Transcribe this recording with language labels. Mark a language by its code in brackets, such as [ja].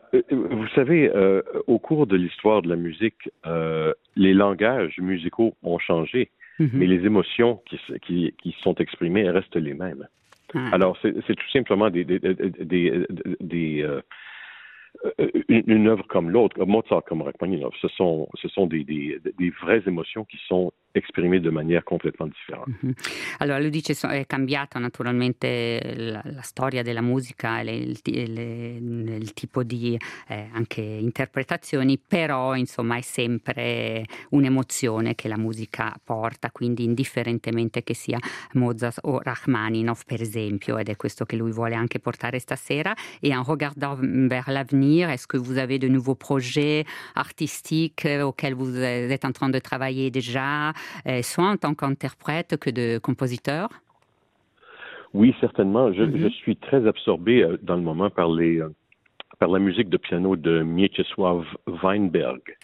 [fr] Vous savez, au cours de l'histoire de la musique, les langages musicaux ont changé, mais les émotions qui sont exprimées restent les mêmes. Alors, c'est tout simplement une œuvre comme l'autre, Mozart comme Rachmaninov, ce sont des vraies émotions qui sont exprimées de manière complètement différente. [it] Allora lui dice è cambiata naturalmente la storia della musica, il tipo di anche interpretazioni, però insomma è sempre un'emozione che la musica porta, quindi indifferentemente che sia Mozart o Rachmaninov per esempio, ed è questo che lui vuole anche portare stasera. [fr] E en regardant vers l'avenir, est-ce que vous avez de nouveaux projets artistiques auxquels vous êtes en train de travailler déjà, soit en tant qu'interprète que de compositeur? Oui, certainement. Je suis très absorbé dans le moment par la musique de piano de Mieczysław Weinberg.